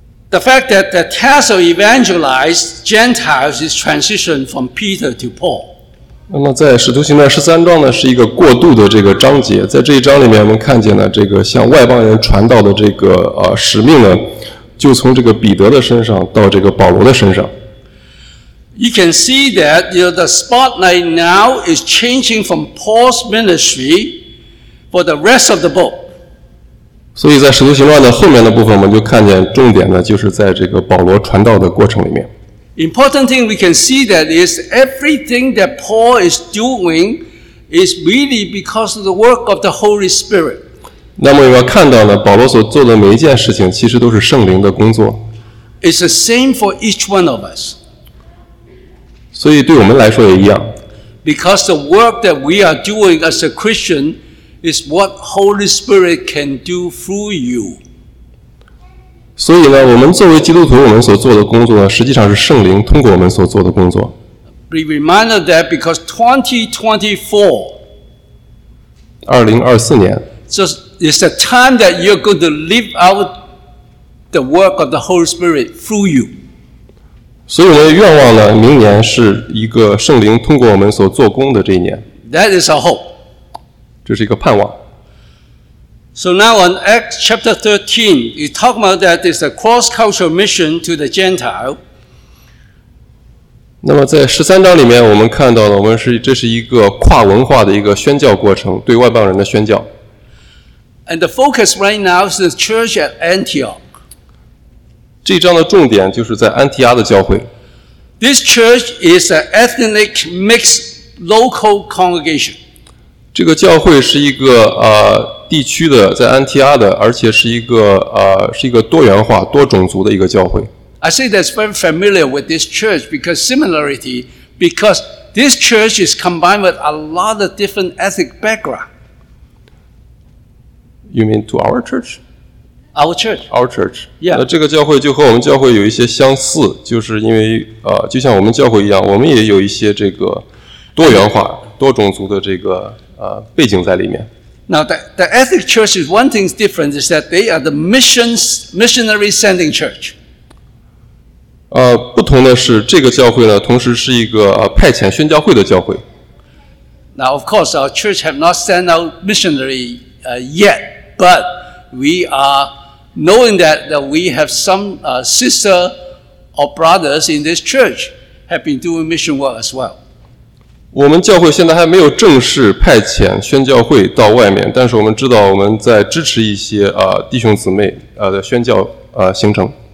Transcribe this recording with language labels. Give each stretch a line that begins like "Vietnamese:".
English: The fact that the task of evangelizing Gentiles is transitioned from Peter to Paul.
Chinese: 那么在使徒行传十三章呢，是一个过渡的这个章节。在这一章里面，我们看见呢，这个向外邦人传道的这个使命呢，就从这个彼得的身上到这个保罗的身上。
English: You can see that the spotlight now is changing from Paul's ministry. For the rest of the book.
Chinese: 所以在使徒行传的后面的部分，我们就看见重点呢，就是在这个保罗传道的过程里面。
English: Important thing we can see that is everything that Paul is doing is really because of the work of the Holy Spirit.
Chinese: 那么我们看到呢，保罗所做的每一件事情，其实都是圣灵的工作。
English: It's the same for each one of us.
Chinese: 所以对我们来说也一样。
English: Because the work that we are doing as a Christian. Is what Holy Spirit can do through you.
Chinese: 所以呢，我们作为基督徒，我们所做的工作呢，实际上是圣灵通过我们所做的工作。
English: Be reminded of that because 2024, is the time that you're going to live out the work of the Holy Spirit through you.
Chinese: 所以我们的愿望呢，明年是一个圣灵通过我们所做工的这一年。
English: That is our hope.
Chinese: 这是一个盼望。
English: So now on Acts chapter 13, you talk about that it's a cross-cultural mission to the Gentile.
Chinese: 那么在十三章里面，我们看到了，这是一个跨文化的一个宣教过程，对外邦人的宣教。
English: And the focus right now is the church at Antioch.
Chinese: 这一章的重点就是在安提阿的教会。
English: This church is an ethnic mixed local congregation.
Chinese: 这个教会是一个地区的，在安提阿的，而且是一个是一个多元化、多种族的一个教会。
English: I say that's very familiar with this church because similarity, because this church is combined with a lot of different ethnic background. You mean to our church? Our church. Our church. Yeah.
Chinese: 那这个教会就和我们教会有一些相似，就是因为就像我们教会一样，我们也有一些这个多元化、多种族的这个背景在里面。
English: Now, the ethnic church is one thing different is that they are the missionary sending church.
Chinese: 不同的是这个教会呢同时是一个派遣宣教会的教会。
English: Now, of course, our church have not sent out missionary yet, but we are knowing that we have some sister or brothers in this church have been doing mission work as well.
Chinese: 我们教会现在还没有正式派遣宣教会到外面，但是我们知道我们在支持一些弟兄姊妹的宣教行程。